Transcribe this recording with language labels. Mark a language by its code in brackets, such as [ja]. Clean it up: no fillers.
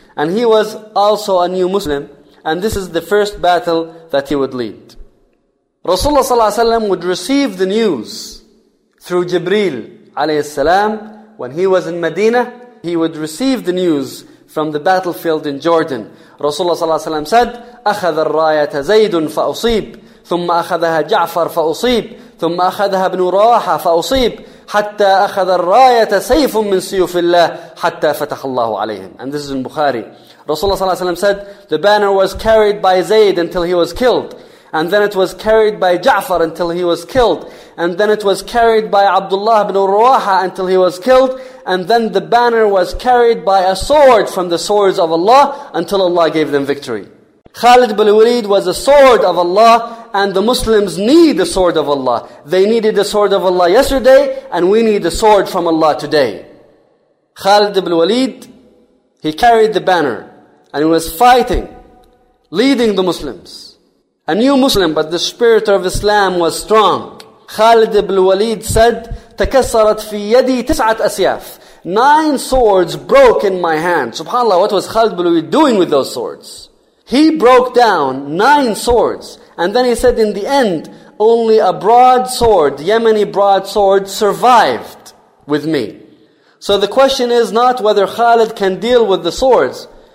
[en] And he was also a new Muslim. And this is the first battle that he would lead. Rasulullah ﷺ would receive the news through Jibreel alayhis salam. When he was in Medina, he would receive the news from the battlefield in Jordan. Rasulullah ﷺ said, [ar] أَخَذَ الرَّايَةَ زَيْدٌ فَأُصِيبٌ ثم أخذها جعفر فأصيب ثم أخذها ابن رواحة فأصيب حتى أخذ الراية سيف من سيوف الله حتى فتح الله عليهم. [en] And this is in Bukhari. Rasulullah ﷺ said, the banner was carried by Zayd until he was killed. And then it was carried by Ja'far until he was killed. And then it was carried by Abdullah ibn Rawaha until he was killed. And then the banner was carried by a sword from the swords of Allah until Allah gave them victory. Khalid ibn Walid was a sword of Allah, and the Muslims need the sword of Allah. They needed the sword of Allah yesterday, and we need the sword from Allah today. Khalid ibn Walid, he carried the banner, and he was fighting, leading the Muslims. A new Muslim, but the spirit of Islam was strong. [ar] خالد بن الوليد said, تكسرت في يدي تسعة أسياف. [en] 9 swords broke in my hand. Subhanallah, what was Khalid ibn Walid doing with those swords? He broke down 9 swords. And then he said in the end, only a broadsword, Yemeni broadsword, survived with me. So the question is not whether Khalid can deal with the swords.